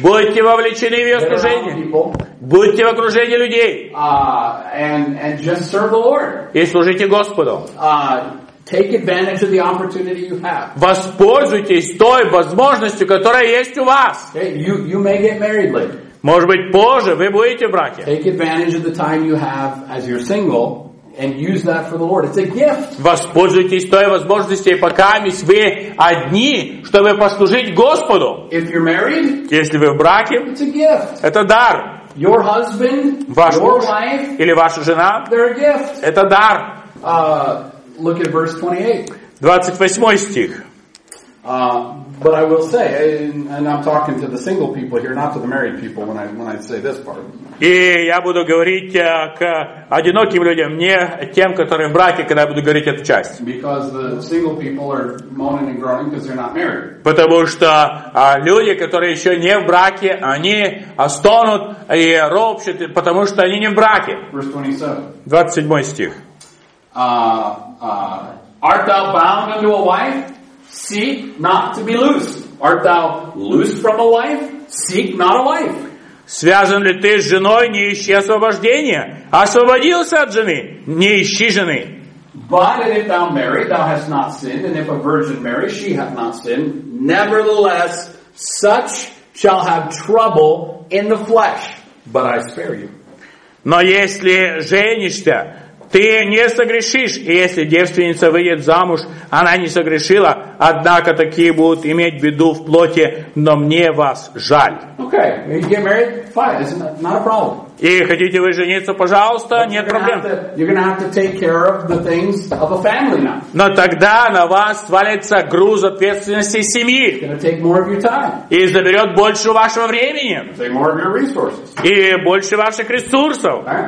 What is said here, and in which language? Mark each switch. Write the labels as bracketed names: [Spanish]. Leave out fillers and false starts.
[Russian] Будьте вовлечены в ее служение. Будьте в окружении людей. [English] And just serve the Lord. [Russian] И служите Господу. [English] Take advantage of the opportunity you have. [Russian] Воспользуйтесь той возможностью, которая есть у вас. [English] Okay, you may get married later. [Russian] Может быть, позже вы будете в браке. [English] Take advantage of the time you have as you're single and use that for the Lord. It's a gift. [Russian] Воспользуйтесь той возможностью, пока вы одни, чтобы послужить Господу. [English] If you're married, [Russian] если вы в браке, [English] it's a gift. [Russian] Это дар. [English] Your husband, [Russian] ваш [English] your wife, [Russian] или ваша жена, [English] they're a gift. [Russian] Это дар. [English] Look at verse 28. [Russian] 28 стих. [English] But I will say, and I'm talking to the single people here, not to the married people when I say this part. [Russian] И я буду говорить к одиноким людям, не тем, которые в браке, когда я буду говорить эту часть. [English] Because the single people are moaning and groaning because they're not married. [Russian] Потому что люди, которые еще не в браке, они стонут и ропщут, потому что они не в браке. [English] Verse 27. [Russian] 27 стих. [English] Art thou bound unto a wife? Seek not to be loosed. Art thou loosed from a wife? Seek not a wife. [Russian] Связан ли ты с женой? Не ищи освобождения. Освободился от жены? Не ищи жены. [English] But and if thou marry, thou hast not sinned, and if a virgin marry, she hath not sinned. Nevertheless, such shall have trouble in the flesh. But I spare you. [Russian] Но если женишься, ты не согрешишь. И если девственница выйдет замуж, она не согрешила, однако такие будут иметь беду в плоти, но мне вас жаль. [English] Okay, you get married, fine, it's not a problem. [Russian] И хотите вы жениться, пожалуйста, нет проблем. Но тогда на вас свалится груз ответственности семьи. И заберет больше вашего времени. И больше ваших ресурсов.